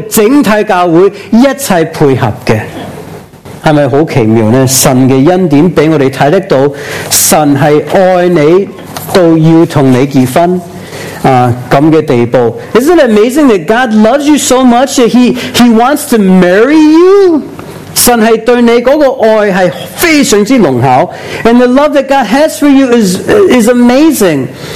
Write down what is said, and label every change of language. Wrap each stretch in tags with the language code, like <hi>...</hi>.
<zh>所以这个是讲到耶稣在天上和我们信耶稣的整体教会一起配合的。是不是很奇妙呢？神的恩典让我们看得到，神是爱你到要和你结婚。</zh> <en>Isn't it amazing that God loves you so much that he wants to marry you?</en> <zh>神对你的爱是非常浓厚，</zh> <en>and the love that God has for you is amazing.</en>